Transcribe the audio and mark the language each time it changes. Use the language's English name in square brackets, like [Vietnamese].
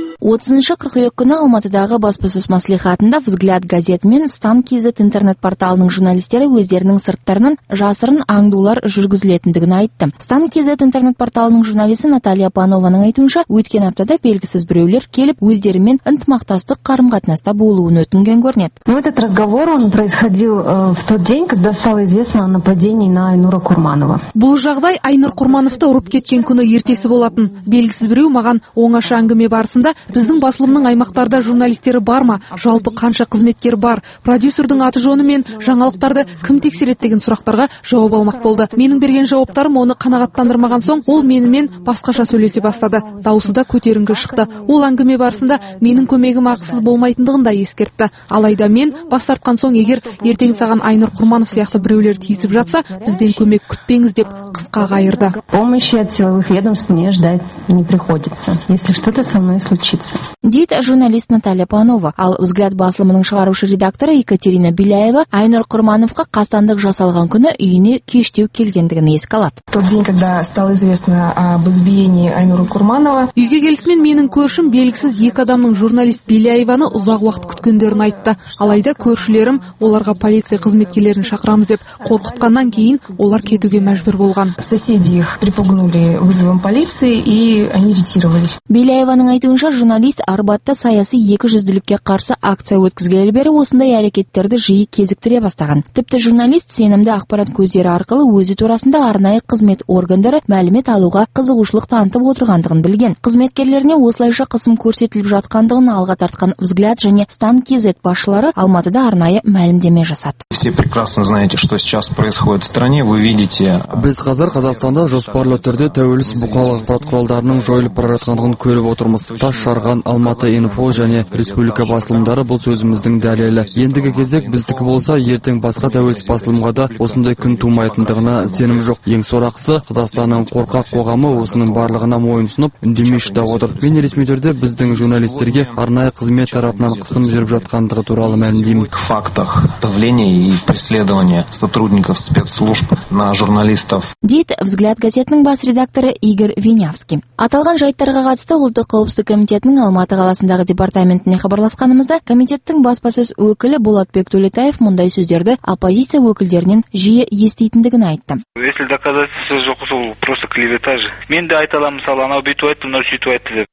[Kazakh] 30-42 күні Алматыдағы баспасөз мәслихатында «Взгляд» газеті мен «Стан кезет» интернет-порталының журналистері өздерінің сырттарынан жасырын аңдулар жүргізілетіндігін айтты. «Стан кезет» интернет-порталының журналисі Наталья Панованың айтуынша, өткен аптада белгісіз біреулер келіп, өздерімен ынтымақтастық қарым-қатынаста болуын өтінген көрінеді. [Russian] Ну, этот разговор, он происходил в тот день, когда стало известно о нападении на Айнура Курманова. [Kazakh] Бұл жағдай Айнур Курмановты ұрып кеткен күні ертесі болатын. Белгісіз біреу маған оңаша әңгіме барысында біздің басылымның аймақтарда журналистері бар ма, жалпы қанша қызметкер бар, продюсердің аты жөні мен жаңалықтарды кім тексереді деген сұрақтарға жауап алмақ болды. Менің берген жауаптарым оны қанағаттандырмаған соң ол менімен басқаша сөйлесе бастады. Даусы да көтеріңкі шықты. Ол әңгіме барысында менің көмегім ақысыз болмайтындығын да ескертті. Алайда мен бас тартқан соң егер ертең саған Айнур Курманов сияқты біреулер тиісіп жатса, бізден көмек күтпеңіз деп қысқа қайырды. [Russian] Помощи от силовых ведомств не ждать не приходится, если что-то со мной случится. [Kazakh] Дейді журналист Наталья Панова. Ал «Взгляд» басылымының шығарушы редакторы Екатерина Беляева Айнур Курмановқа қастандық жасалған күні үйіне кештеу келгендігін еске алады. [Russian] Тот день, когда стало известно об избиении Айнура Курманова. [Kazakh] Үйге келісімен менің көршім белгісіз екі адамның журналист Беляеваны ұзақ уақыт күткендерін айтты. Алайда көршілерім оларға полиция қызметкерлерін шақырамыз деп қорқытқаннан кейін олар кетуге мәжбүр болған. [Russian] Соседи их припугнули вызовом полиции и они ретировались. [Kazakh] Беляеваның айтуынша журналист Арбатта саяси 200-лікке қарсы акция өткізгелі бері осындай әрекеттерді жиі кезіктіре бастаған. Тіпті журналист сенімді ақпарат көздері арқылы өзі турасында арнайы қызмет органдары мәлімет алуға қызығушылық танытып отырғандығын білген. Қызметкерлеріне осылайша қысым көрсетіліп жатқандығын алға тартқан «Взгляд» және «Стан кезет» басшылары Алматыда арнайы мәлімдеме жасады. [Russian] Все прекрасно знаете, что сейчас происходит в стране. Вы видите. [Kazakh] Біз қазір Қазақстанда жоспарлы түрде тәуелсіз бұқаралық ақпарат құралдарының жойылып бара жатқандығын көріп отырмыз. Тас жарған Алматы Инфо және Республика басылымдары бұл сөзіміздің дәлелі. Ендігі кезек біздікі болса, ертең басқа тәуелсіз басылымға да осындай күн тумайтындығына сенім жоқ. Ең сорақысы, Қазақстанның қорқақ қоғамы осының барлығына мойынсынып, үндемей шыдап отыр. Мен ресми түрде біздің журналистерге арнайы қызмет тарапынан қысым жүріп жатқандығы туралы мәлімдеймін. [Russian] Фактах давления и преследования сотрудников спецслужб на журналистов. [Kazakh] Дейді «Взгляд» газетінің бас редакторы Игорь Винявский. Аталған жайттарға қатысты ұлттық қауіпсіздік комитетінің Алматы қаласындағы департаментіне хабарласқанымызда комитеттің баспасөз өкілі Болатбек Төлетаев мұндай сөздерді оппозиция өкілдерінен жиі еститіндігін айтты. [Russian] Если доказательства [Kazakh] жоқ, сол [Russian] просто клевета [Kazakh] же. Мен де айта аламын, мысалы, анау бүйтіп айтты, мынау сөйтіп айтты деп.